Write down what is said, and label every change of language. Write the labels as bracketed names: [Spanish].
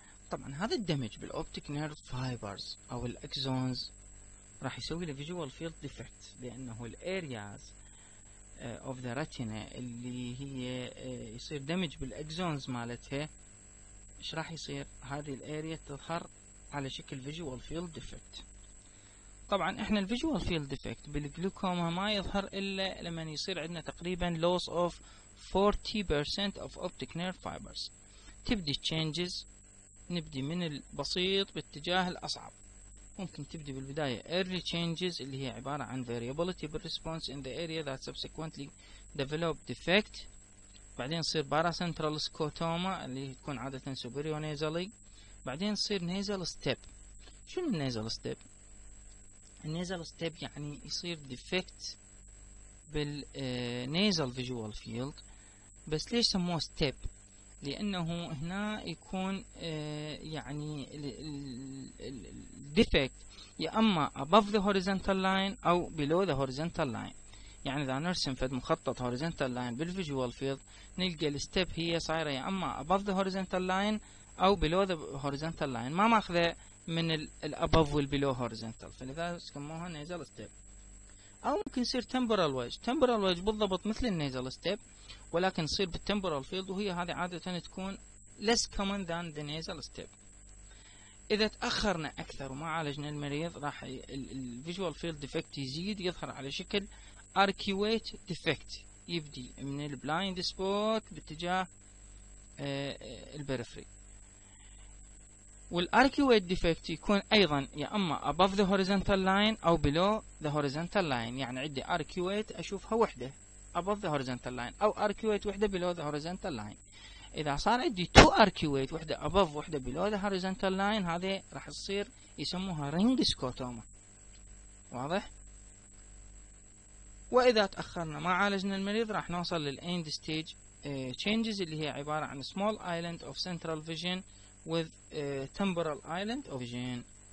[Arabic] طبعا هذا الدمج بالاوبتيك نيرف فايبرز او الاكزونز راح يسوي له فيجوال فيلد ديفكت، لانه الارياز اوف ذا ريتينا اللي هي يصير دمج بالاكزونز مالتها ايش راح يصير؟ هذه الاريا تظهر على شكل فيجوال فيلد ديفكت. طبعا احنا الفيجوال فيلد ديفكت بالجلوكوما ما يظهر الا لما يصير عندنا تقريبا لوس اوف 40% اوف اوبتيك نيرف فايبرز، تبدي تشينجز، نبدي من البسيط باتجاه الأصعب. ممكن تبدي بالبداية [English] early changes [Arabic] اللي هي عبارة عن [English] variability response in the area that subsequently develop defect، [Arabic] بعدين تصير [English] paracentral scotoma [Arabic] اللي تكون عادة [English] superionasally، بعدين تصير nasal step. [Arabic] شنو nasal step؟ nasal step يعني يصير defect بال nasal visual field. بس ليش سموه step؟ لانه هنا يكون يعني الديفكت يا اما [English] above the horizontal line [Arabic] او [English] below the horizontal line. [Arabic] يعني اذا نرسم فد مخطط horizontal line بالفيجوال فيلد نلقى الستيب هي صايره يا اما [English] above the horizontal line [Arabic] او [English] below the horizontal line، [Arabic] ما ماخذه من الابوف والبلو horizontal، فلذا سموها nasal step. او ممكن يصير temporal wedge، temporal wedge بالضبط مثل النيزل ستيب ولكن يصير بالتمبرال فيلد، وهي هذه عادة تكون [English] less common than the nasal step. [Arabic] اذا تأخرنا اكثر وما عالجنا المريض راح الفيجوال فيلد ديفكت يزيد، يظهر على شكل arcuate defect، يبدي من البلايند سبوت باتجاه البريفري. والarcuate defect يكون ايضا يا اما [English] above the horizontal line [Arabic] او [English] below the horizontal line، [Arabic] يعني عندي arcuate اشوفها وحده above the horizontal line او arcuate وحده below the horizontal line. اذا صار عندي two arcuate وحده above وحده [English] below the horizontal line، [Arabic] هذه راح تصير يسموها ring scotoma. واضح؟ واذا تاخرنا ما عالجنا المريض راح نوصل لل [English] end stage changes [Arabic] اللي هي عباره عن [English] small island of central vision with temporal island of vision.